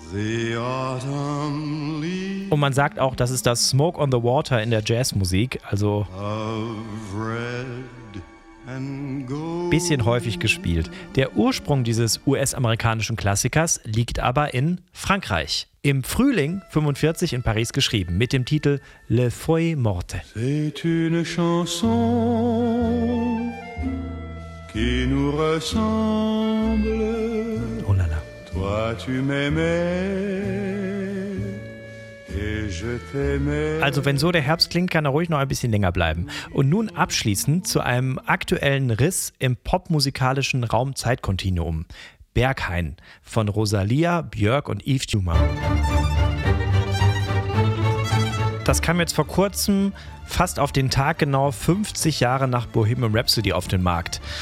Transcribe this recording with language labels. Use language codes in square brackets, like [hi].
[de] Und man sagt auch, das ist das Smoke on the Water in der Jazzmusik, also ein bisschen häufig gespielt. Der Ursprung dieses US-amerikanischen Klassikers liegt aber in Frankreich. Im Frühling 45 in Paris geschrieben, mit dem Titel Les Feuilles Mortes. [fr] C'est une chanson qui nous ressemble. Oh là là. Toi, tu m'aimais et je t'aimais. [de] Also wenn so der Herbst klingt, kann er ruhig noch ein bisschen länger bleiben. Und nun abschließend zu einem aktuellen Riss im popmusikalischen Raum-Zeit-Kontinuum. Berghain von Rosalía, Björk und Yves Dumas. Das kam jetzt vor kurzem, fast auf den Tag genau, 50 Jahre nach Bohemian Rhapsody auf den Markt.